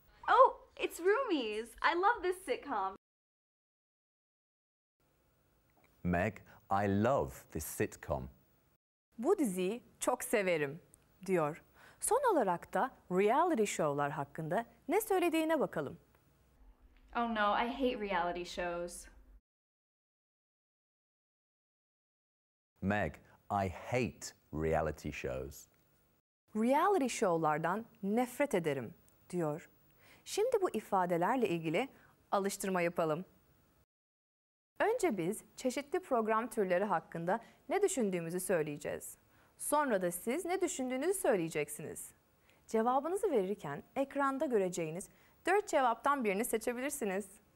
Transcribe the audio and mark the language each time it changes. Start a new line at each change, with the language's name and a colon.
English: Oh, it's Roomies. I love this sitcom. Meg, I love this sitcom.
Turkish: Bu diziyi çok severim diyor. Son olarak da reality show'lar hakkında ne söylediğine bakalım.
English: Oh no, I hate reality shows. Meg, I hate reality shows.
Turkish: Reality show'lardan nefret ederim, diyor. Şimdi bu ifadelerle ilgili alıştırma yapalım. Önce biz çeşitli program türleri hakkında ne düşündüğümüzü söyleyeceğiz. Sonra da siz ne düşündüğünüzü söyleyeceksiniz. Cevabınızı verirken ekranda göreceğiniz 4 cevaptan birini seçebilirsiniz.